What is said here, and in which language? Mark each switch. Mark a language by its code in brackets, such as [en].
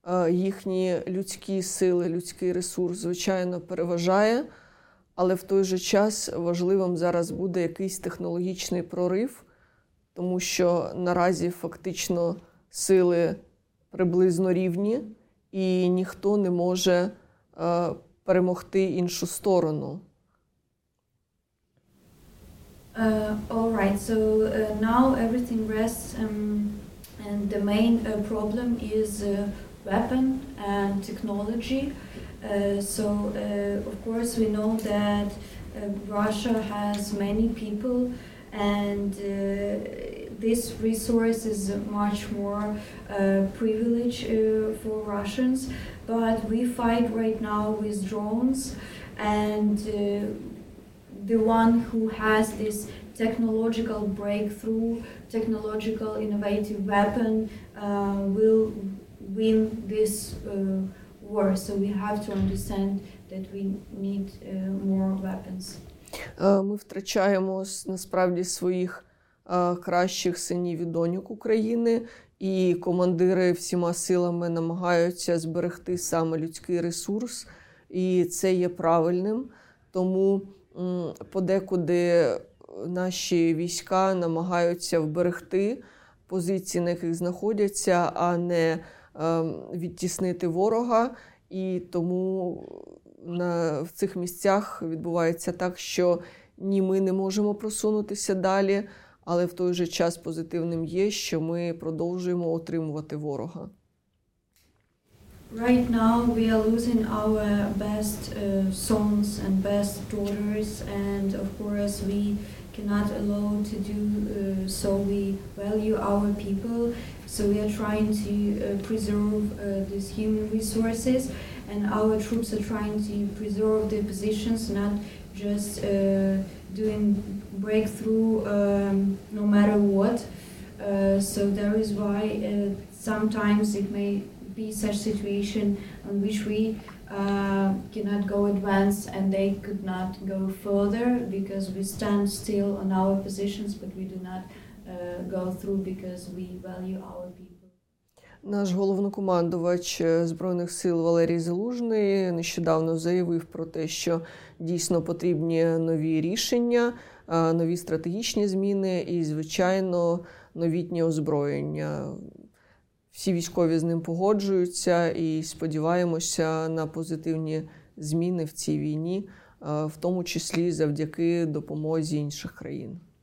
[uk] Їхні людські сили, людський ресурс, звичайно, переважає, але в той же час важливим зараз буде якийсь технологічний прорив, тому що наразі фактично сили приблизно рівні, і ніхто не може перемогти іншу сторону. [en] Now everything rests, and the main problem is weapon and technology. So of course we know that Russia has many people, and this resource is much more privileged for Russians. But we fight right now with drones, and the one who has this technological breakthrough, technological innovative weapon will win this war. So we have to understand that we need more weapons. [uk] Ми втрачаємо насправді своїх кращих синів і доньок України, і командири всіма силами намагаються зберегти саме людський ресурс, і це є правильним. Тому подекуди наші війська намагаються вберегти позиції, на яких знаходяться, а не відтіснити ворога, і тому в цих місцях відбувається так, що ні, ми не можемо просунутися далі, але в той же час позитивним є, що ми продовжуємо отримувати ворога. [en] Right now we are losing our best sons and best daughters, and of course we cannot allow to do so. We value our people, so we are trying to preserve these human resources, and our troops are trying to preserve their positions, not just doing breakthrough no matter what. So that is why sometimes it may be such situation in which we cannot go advance and they could not go further because we stand still on our positions, but we do not go through because we value our people. [uk] Наш головнокомандувач Збройних сил Валерій Залужний нещодавно заявив про те, що дійсно потрібні нові рішення, нові стратегічні зміни і, звичайно, новітнє озброєння. Всі військові з ним погоджуються і сподіваємося на позитивні зміни в цій війні, в тому числі завдяки допомозі інших країн.